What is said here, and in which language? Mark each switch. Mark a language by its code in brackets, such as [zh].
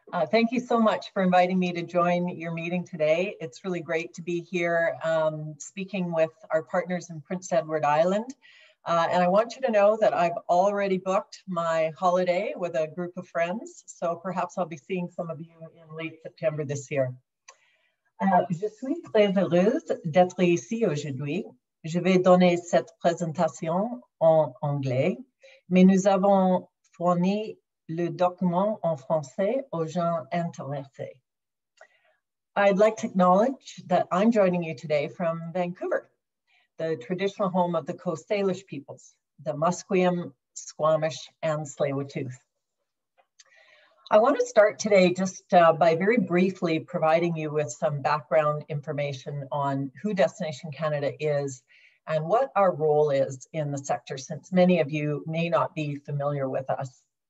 [en] Thank you so much for inviting me to join your meeting today. It's really great to be here speaking with our partners in Prince Edward Island. And I want you to know that I've already booked my holiday with a group of friends, so perhaps I'll be seeing some of you in late September this year. [fr] Je suis très heureuse d'être ici aujourd'hui. Je vais donner cette présentation en anglais, mais nous avons fourni le document en français aux gens intéressés. [en] I'd like to acknowledge that I'm joining you today from Vancouver, the traditional home of the Coast Salish peoples, the Musqueam, Squamish, and Tsleil-Waututh. I want to start today just by very briefly providing you with some background information on who Destination Canada is and what our role is in the sector, since many of you may not be familiar with us.